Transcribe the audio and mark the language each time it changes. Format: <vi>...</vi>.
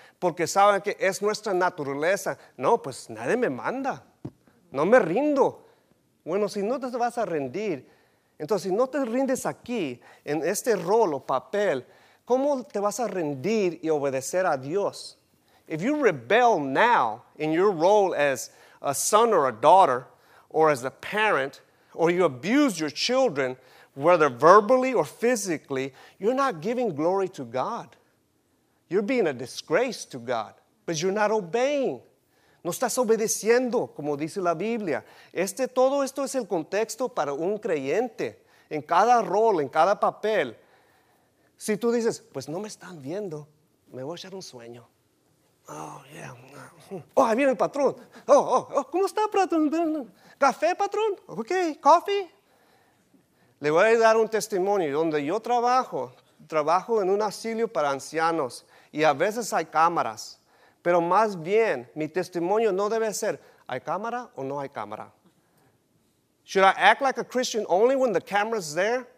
<es>Porque saben que es nuestra naturaleza. No, pues nadie me manda. No me rindo. Bueno, si no te vas a rendir, entonces si no te rindes aquí, en este rol o papel, ¿cómo te vas a rendir y obedecer a Dios?</es> <en>If you rebel now in your role as a son or a daughter, or as a parent, or you abuse your children, whether verbally or physically, you're not giving glory to God. You're being a disgrace to God, but you're not obeying.</en> <es>No estás obedeciendo, como dice la Biblia. Todo esto es el contexto para un creyente. En cada rol, en cada papel. Si tú dices, pues no me están viendo, me voy a echar un sueño. Oh, ahí viene el patrón. Oh, ¿cómo está, patrón? ¿Café, patrón? Ok, ¿coffee? Le voy a dar un testimonio. Donde yo trabajo en un asilo para ancianos. Y a veces hay cámaras. Pero más bien, mi testimonio no debe ser, ¿hay cámara o no hay cámara?</es> <en>Should I act like a Christian only when the camera's there?</en>